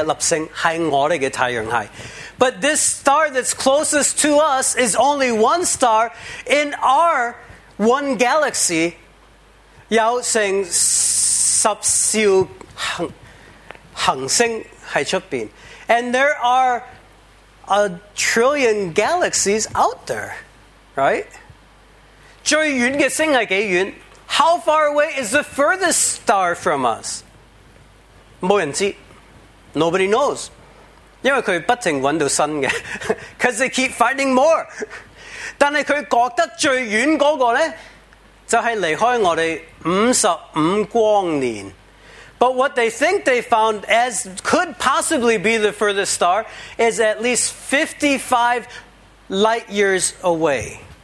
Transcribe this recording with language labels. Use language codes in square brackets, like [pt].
[yue] 但係我哋呢個嘅最近嘅星，只不過係最接近我哋其中一粒星，係我哋嘅太陽系。 [en] But this star that's closest to us is only one star in our one galaxy. [yue] 有成10兆恆星喺出邊， [en] and there are a trillion galaxies out there, right? [yue] 最遠嘅星係幾遠? [en] How far away is the furthest star from us? [yue] 冇人知, [en] nobody knows. [yue] 因為佢不停揾到新嘅, [en] because they keep finding more. [yue] 但係佢覺得最遠嗰個呢, 就係離開我哋55光年。 [en] But what they think they found as could possibly be the furthest star is at least 55 light years away.